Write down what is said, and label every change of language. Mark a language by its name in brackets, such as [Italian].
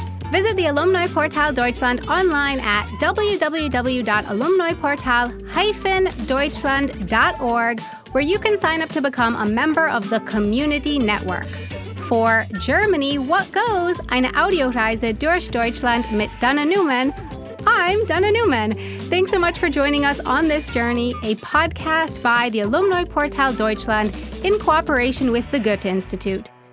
[English] Visit the Alumni Portal Deutschland online at www.alumniportal-deutschland.org, where you can sign up to become a member of the community network. For Germany, what goes? [German] Eine Audioreise durch Deutschland mit Dana Neumann. [English] I'm Dana Neumann. Thanks so much for joining us on this journey, a podcast by the Alumni Portal Deutschland in cooperation with the Goethe Institute.